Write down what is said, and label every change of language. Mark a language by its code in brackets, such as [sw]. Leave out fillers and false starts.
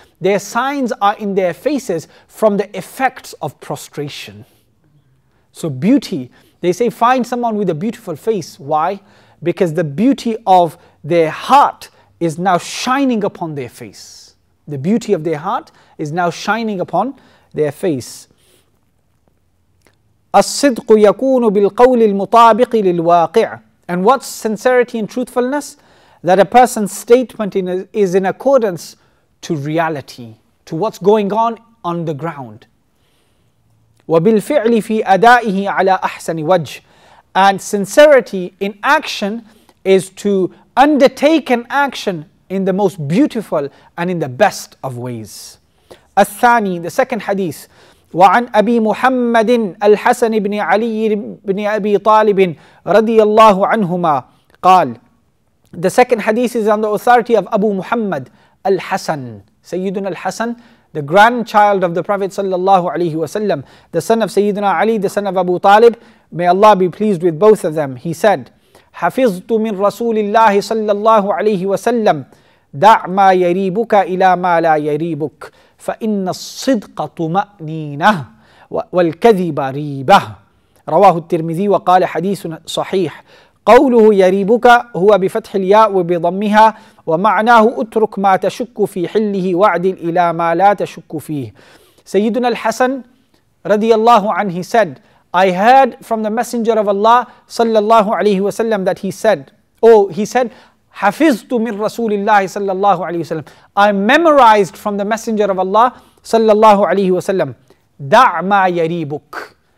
[en] Their signs are in their faces from the effects of prostration. So beauty, they say, find someone with a beautiful face. Why? Because the beauty of their heart is now shining upon their face. The beauty of their heart is now shining upon their face. [ar] الصدق يكون بالقول المطابق للواقع. [en] And what's sincerity and truthfulness? That a person's statement is in accordance to reality, to what's going on the ground. [ar] وبالفعل في أدائه على أحسن وجه. [en] And sincerity in action is to undertake an action in the most beautiful and in the best of ways. الثاني, the second hadith. [ar] وعن أبي محمد الحسن بن علي بن أبي طالب رضي الله عنهما قال. [en] The second hadith is on the authority of Abu Muhammad al-Hasan, Sayyidina al-Hasan, the grandchild of the Prophet sallallahu alayhi wasallam, the son of Sayyidina Ali, the son of Abu Talib, may Allah be pleased with both of them. He said, [ar] حفظت من رسول الله صلى الله عليه وسلم دع ما يريبك إلى ما لا يريبك فإن الصدق طمأنينة والكذب ريبة. رواه الترمذي وقال حديث صحيح. قوله يريبك هو بفتح الياء وبضمها ومعناه اترك ما تشك في حله واعدل إلى ما لا تشك فيه. سيدنا الحسن رضي الله عنه [en] said, I heard from the Messenger of Allah sallallahu alayhi wasallam that he said, [ar] حَفِظْتُ مِنْ رَسُولِ اللَّهِ صَلَّى اللَّهُ عَلَيْهِ وَسَلَّمْ. [en] I memorized from the Messenger of Allah sallallahu alayhi wasallam, [ar] دَعْ مَا يَرِيبُكْ.